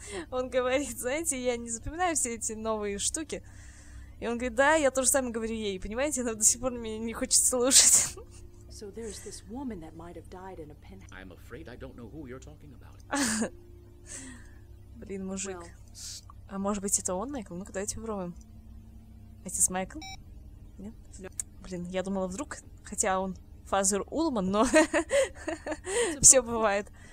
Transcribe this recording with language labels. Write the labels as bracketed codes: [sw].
[ru] Он говорит, знаете, я не запоминаю все эти новые штуки. И он говорит, да, я тоже сам говорю ей, понимаете, она до сих пор меня не хочет слушать. [en] So there's this woman that might have died in a pen. I'm afraid I don't know who you're talking about. [ru] Блин, мужик. А может быть это он, Майкл? Ну-ка, давайте попробуем. Это с Майкл? Нет? Блин, я думала вдруг, хотя он Фазер Улман, но все бывает.